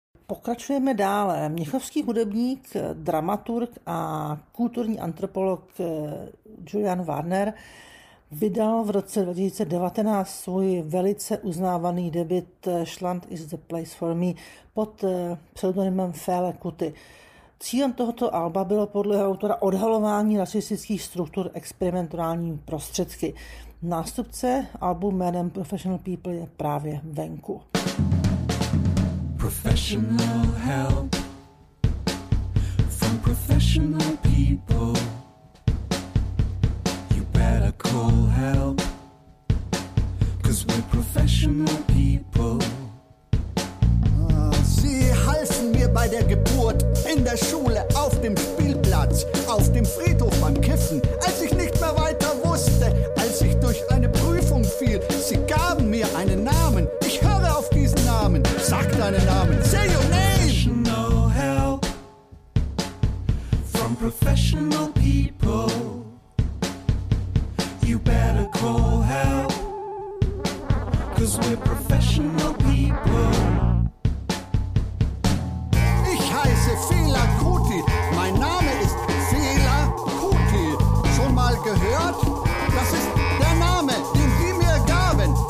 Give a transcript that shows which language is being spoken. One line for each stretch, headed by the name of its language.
Czech: Pokračujeme dále. Mnichovský hudebník, dramaturg a kulturní antropolog Julian Wagner vydal v roce 2019 svůj velice uznávaný debut Schland is the place for me pod pseudonymem Fele Kuti. Cílem tohoto alba bylo podle autora odhalování rasistických struktur experimentálními prostředky. Nástupce albu jménem Professional People je právě venku.
English: Professional help from professional people. Better call help, 'cause we're professional people.
German: Sie halfen mir bei der Geburt, in der Schule, auf dem Spielplatz, auf dem Friedhof beim Kiffen, als ich nicht mehr weiter wusste, als ich durch eine Prüfung fiel. Sie gaben mir einen Namen, ich höre auf diesen Namen, sag deinen Namen,
English: say your name. Professional help from professional people. You better call help, 'cause we're professional people.
German: Ich heiße Fela Kuti, mein Name ist Fela Kuti. Schon mal gehört? Das ist der Name, den die mir gaben.